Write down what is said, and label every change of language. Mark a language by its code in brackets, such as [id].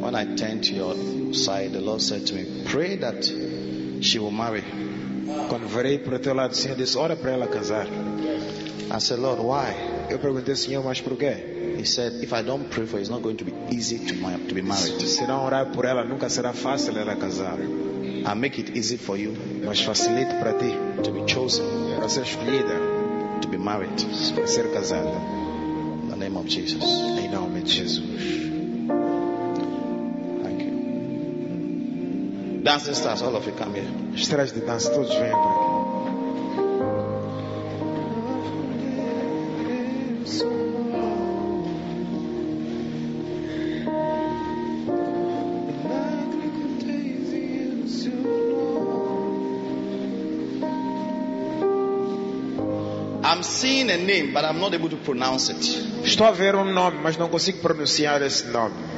[en] When I turned to your side, the Lord said to me, pray that she will marry. [pt] Quando virei para o teu lado, o Senhor disse, ora para ela casar. [en] I said, Lord, why? [pt] Eu perguntei, Senhor, mas por quê? [en] He said, if I don't pray for her, it's not going to be easy to be married. [pt] Se não orar por ela, nunca será fácil ela casar. [en] I make it easy for you, [pt] mas facilito para ti, [en] to be chosen, [pt] para ser escolhida, [en] to be married, [pt] para ser casada. [en] In the name of Jesus. [pt] Em nome de Jesus. [en] Thank you. Dancing stars, all of you come here. [pt] Estrelas de dança, todos vêm para aqui. [en] I'm seeing a name, but I'm not able to pronounce it. [pt] Estou a ver nome, mas não consigo pronunciar esse nome.